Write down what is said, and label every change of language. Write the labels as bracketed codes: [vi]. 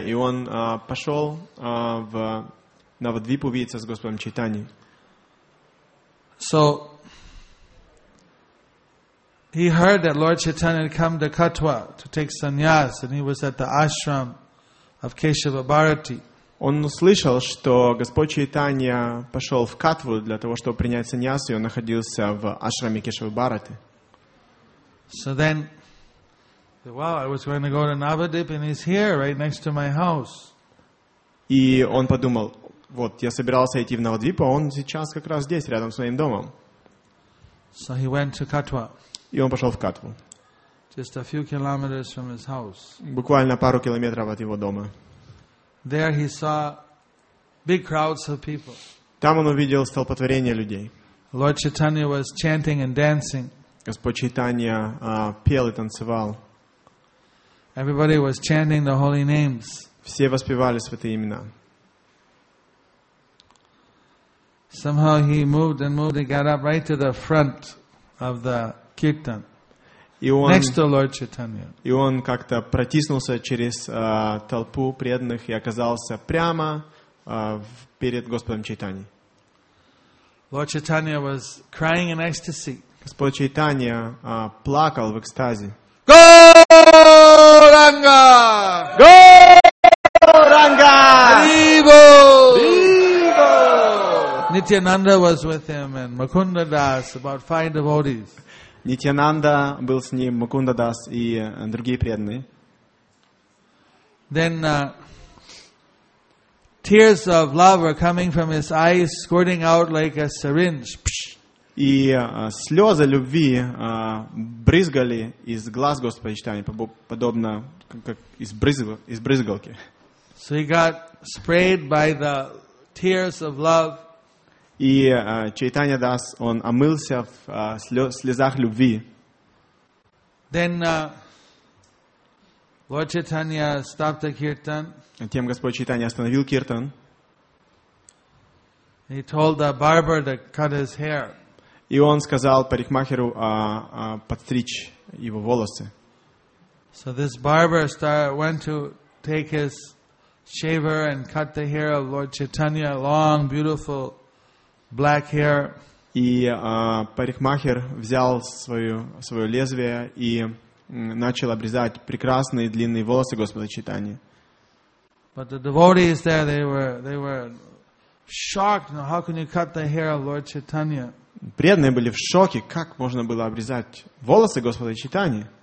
[ru] и он пошел в Навадвип увидеться с Господом Чайтаньей. [en] So he heard that Lord Chaitanya had come to Katwa to take sannyas, and he was at the ashram of Keshava Bharati. [ru] Он услышал, что Господь Чайтанья пошел в Катву для того, чтобы принять сannyas, и он находился в ашраме Кешава Бхарати. [en] So then. Wow, I was going to go to Navadvip and he's here right next to my house. [ru] И он подумал: вот я собирался идти в Навадвип, а он сейчас как раз здесь, рядом с моим домом. [en] So he went to Katwa. [ru] И он пошел в Катву. [en] Just a few kilometers from his house. [ru] Буквально пару километров от его дома. [en] There he saw big crowds of people. [ru] Там он увидел столпотворение людей. [en] Lord Chaitanya was chanting and dancing. [ru] Господь Чайтанья пел и танцевал. [en] Everybody was chanting the holy names. [ru] Все воспевали святые имена. [en] Somehow he moved and moved and got up right to the front of the kirtan. Next to Lord Chaitanya. [ru] И он как-то протиснулся через толпу преданных и оказался прямо перед Господом Чайтаньей. [en] Lord Chaitanya was crying in ecstasy. [ru] Господь Чайтанья плакал в экстазе. [en] Go! Ganga! Go! Nityananda was with him and Mukunda Das, about five devotees. [ru] Nityananda был с ним, Мукунда Дас и другие преданные. [en] Then tears of love were coming from his eyes, squirting out like a syringe. [ru] И слезы любви брызгали из глаз Господа Читания, подобно как из брызгалки. [en] So he got sprayed by the tears of love. [ru] И Чайтанья Дас, он омылся в слезах любви. [en] Then Lord Chaitanya stopped the kirtan. [ru] Затем Господь Чайтанья остановил киртан. [en] He told the barber to cut his hair. [ru] И он сказал парикмахеру подстричь его волосы. [en] So this barber went to take his shaver and cut the hair of Lord Chaitanya, long, beautiful black hair. [ru] И парикмахер взял свое лезвие и начал обрезать прекрасные длинные волосы Господа Чайтаньи. [en] But the devotees there, they were shocked. Now, how can you cut the hair of Lord Chaitanya? [ru] Преданные были в шоке, как можно было обрезать волосы Господа Чайтаньи.